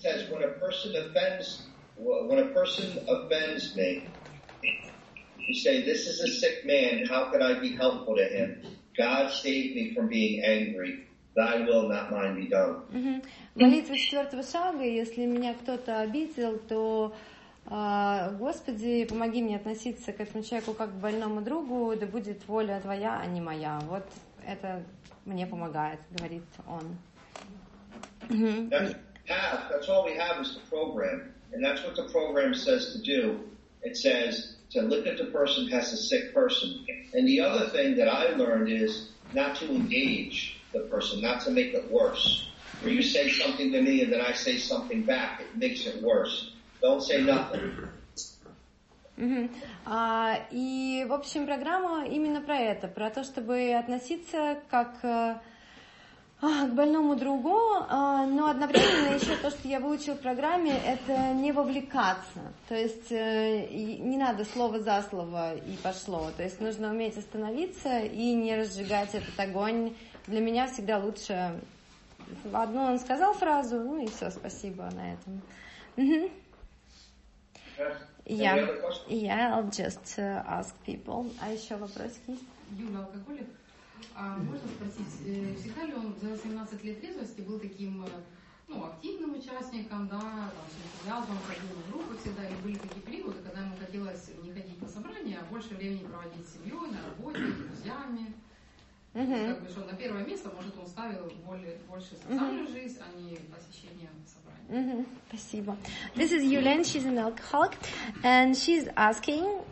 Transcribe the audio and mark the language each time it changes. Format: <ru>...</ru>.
<en>When a person offends me, you say, this is a sick man, how could I be helpful to him? God save me from being angry. Thy will, not mine, be done.</en> <ru>Молитва четвертого шага, если меня кто-то обидел, то, Господи, помоги мне относиться к этому человеку как к больному другу, да будет воля твоя, а не моя. Вот это мне помогает, говорит он.</ru> <en>That's all we have is the program. And that's what the program says to do. It says to look at the person as a sick person. And the other thing that I learned is not to engage the person, not to make it worse. Where you say something to me and then I say something back, it makes it worse. Don't say nothing.</en> <ru>И, в общем, программа именно про это, про то, чтобы относиться как... к больному другу, но одновременно еще то, что я выучила в программе, это не вовлекаться. То есть не надо слово за слово и пошло. То есть нужно уметь остановиться и не разжигать этот огонь. Для меня всегда лучше одну он сказал фразу, ну и все, спасибо на этом.</ru> <en>Yeah, I'll just ask people.</en> <ru>А еще вопросики есть? Юна, алкоголик? А можно спросить, всегда ли он за 18 лет трезвости был таким, ну, активным участником, да, там, с энтузиазмом ходил в группу всегда, и были такие периоды, когда ему хотелось не ходить на собрания, а больше времени проводить с семьей, на работе, с друзьями. Как бы, что на первое место, может, он ставил больше социальную жизнь, а не посещение собрания. Спасибо.</ru> <en>This is Yulen, she's an alcoholic, and she's asking...</en>